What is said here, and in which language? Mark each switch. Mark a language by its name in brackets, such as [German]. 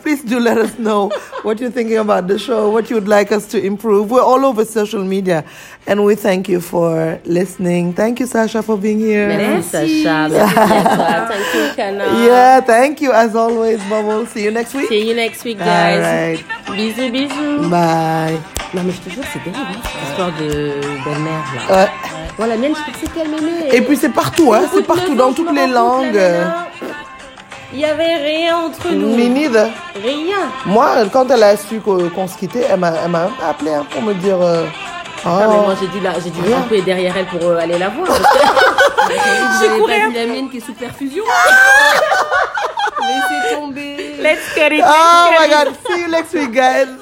[English] Please do let us know what you're thinking about the show, what you'd like us to improve. We're all over social media. And we thank you for listening. Thank you, Sasha, for being here. [French] Merci, Sasha. [English] Thank you, Kana. Yeah, thank you, as always, Bubble. See you next week. See you next week, guys. All right. [French] Bisous, bisous. [English] Bye. [French] Non, mais je te jure, c'est dingue, l'histoire de belle-mère, là. Ouais. Bon, la mienne, je pense que c'est qu'elle m'aimait. Et puis, c'est partout, hein. C'est partout, dans toutes les langues. Il n'y avait rien entre nous. [English] Me neither. [French] Rien. Moi, quand elle a su qu'on se quittait, elle m'a appelé hein, pour me dire... Oh. Non, mais moi, j'ai dû grimper derrière elle pour aller la voir. J'ai couru. Pas vu la mienne qui est sous perfusion. Laissez tomber. [English] Let's get it. Oh my God. See you next week, guys.